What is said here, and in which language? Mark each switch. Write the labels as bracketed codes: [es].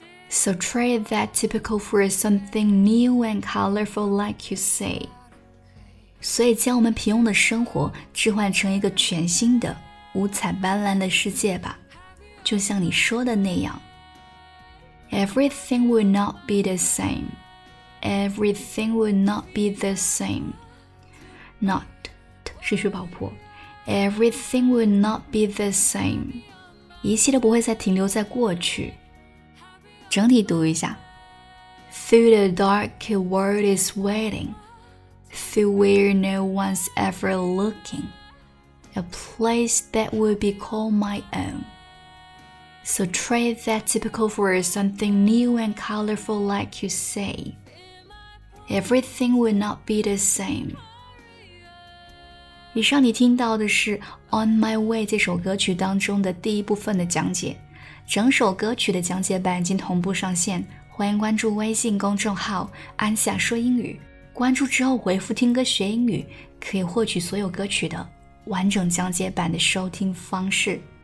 [en] So trade that typical for something new and colorful like you say [zh] 所以将我们平庸的生活置换成一个全新的五彩斑斓的世界吧就像你说的那样 [en] Everything will not be the sameEverything will not be the same. Not [zh] 失去爆破 [en] Everything will not be the same. [zh] 一切都不会再停留在过去。整体读一下 [en] Through the dark world is waiting. Through where no one's ever looking. A place that will be called my own. So trade that typical for something new and colorful like you say. Everything will not be the same. [zh] 以上你听到的是 On My Way 这首歌曲当中的第一部分的讲解。整首歌曲的讲解版已经同步上线，欢迎关注微信公众号安夏说英语。关注之后回复听歌学英语，可以获取所有歌曲的完整讲解版的收听方式。